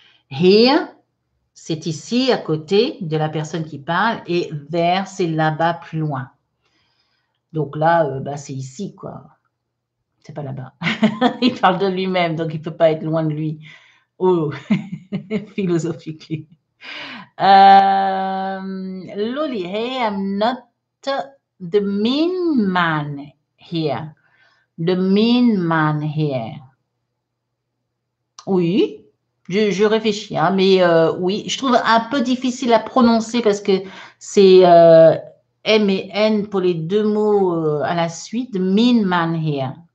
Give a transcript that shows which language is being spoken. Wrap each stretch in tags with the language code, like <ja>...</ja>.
<fr>Here, c'est ici, à côté de la personne qui parle, et there, c'est là-bas, plus loin. Donc là, c'est ici, quoi. C'est pas là-bas. Il parle de lui-même, donc il ne peut pas être loin de lui. Oh, philosophique.</fr> <en>Loli, hey, I'm not the mean man here. The mean man here. Oui.</en> <fr>Je réfléchis, hein, mais oui, je trouve un peu difficile à prononcer parce que c'est M et N pour les deux mots à la suite,</fr> <en>mean man here.</en>